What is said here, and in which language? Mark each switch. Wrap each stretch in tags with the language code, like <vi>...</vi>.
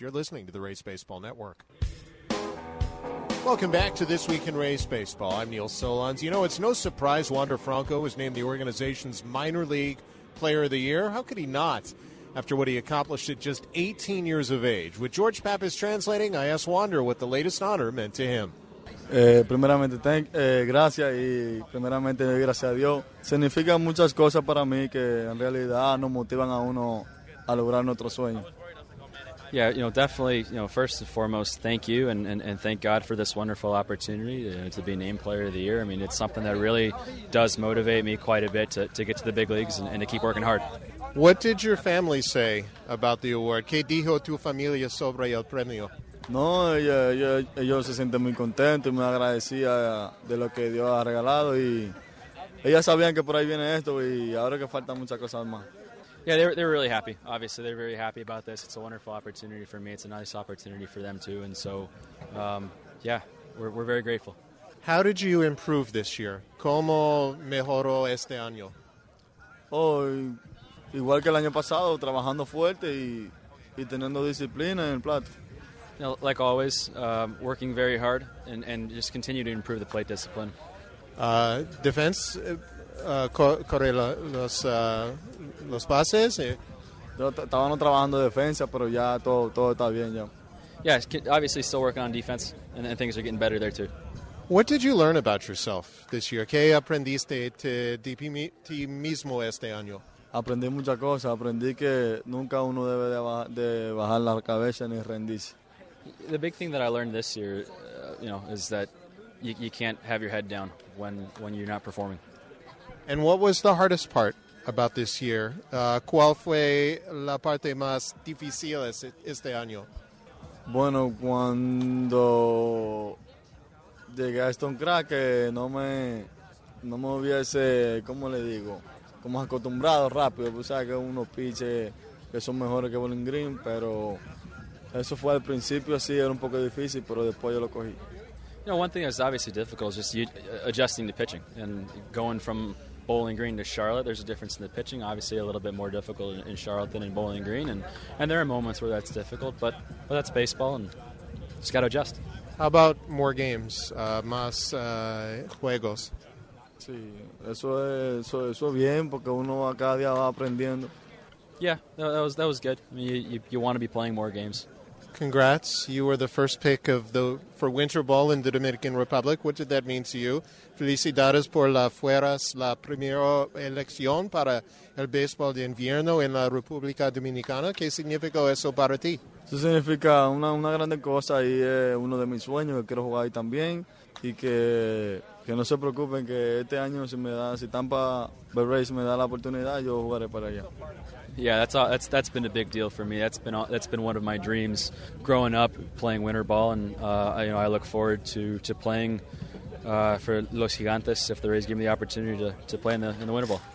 <en>You're listening to the Rays Baseball Network. Welcome back to This Week in Rays Baseball. I'm Neil Solons. You know, it's no surprise Wander Franco was named the organization's Minor League Player of the Year. How could he not, after what he accomplished at just 18 years of age? With George Pappas translating, I asked Wander what the latest honor meant to him.</en> <es>Primeramente, gracias y primeramente gracias a Dios. Significan muchas cosas para mí que en realidad nos motivan a uno a lograr nuestro sueño.</es> <en>Yeah, you know, definitely, you know, first and foremost, thank you and thank God for this wonderful opportunity to be named Player of the Year. I mean, it's something that really does motivate me quite a bit to get to the big leagues and to keep working hard. What did your family say about the award?</en> <es>¿Qué dijo tu familia sobre el premio? No, ellos se sienten muy contentos y muy agradecidos de lo que Dios ha regalado. Y ellas sabían que por ahí viene esto y ahora que faltan muchas cosas más.</es> <en>Yeah, they're really happy. Obviously, they're very happy about this. It's a wonderful opportunity for me. It's a nice opportunity for them, too. And so, yeah, we're very grateful. How did you improve this year?</en> <es>¿Cómo mejoró este año? Oh, igual que el año pasado, trabajando fuerte y y teniendo disciplina en el plato.</es> <en>Now, like always, working very hard and just continue to improve the plate discipline.</en> <es>Defense, corre los pases. Yo estaba no trabajando defensa, pero ya todo está bien ya.</es> <en>Yeah, obviously still working on defense, and things are getting better there too. What did you learn about yourself this year?</en> <es>¿Qué aprendiste de ti mismo este año? Aprendí muchas cosas. Aprendí que nunca uno debe de bajar la cabeza ni rendirse.</es> <en>The big thing that I learned this year, is that you can't have your head down when you're not performing. And what was the hardest part about this year?</en> <es>¿Cuál fue la parte más difícil este año? Bueno, cuando llegué a Stone Crack, no me hubiese, ¿cómo le digo? Como acostumbrado rápido, pues sabes que unos pitches que son mejores que Bowling Green, pero eso fue al principio, sí, era un poco difícil, pero después yo lo cogí.</es> <en>One thing that's obviously difficult is just adjusting to pitching. And going from Bowling Green to Charlotte, there's a difference in the pitching. Obviously, a little bit more difficult in Charlotte than in Bowling Green. And there are moments where that's difficult, but that's baseball, and just got to adjust. How about more games,</en> <es>más juegos? Sí, eso es bien, porque uno cada día va aprendiendo.</es> <en>Yeah, that was good. I mean, you want to be playing more games. Congrats. You were the first pick for winter ball in the Dominican Republic. What did that mean to you?</en> <es>Felicidades por la fueras la primera elección para el béisbol de invierno en la República Dominicana. ¿Qué significó eso para ti? Eso significa una grande cosa y es uno de mis sueños, que quiero jugar ahí también. Y que no se preocupen, que este año si Tampa Bay Rays me da la oportunidad, yo jugaré para allá.</es> <en>Yeah, that's been a big deal for me. That's been one of my dreams growing up, playing winter ball, and I look forward to playing for Los Gigantes if the Rays give me the opportunity to play in the winter ball.</en>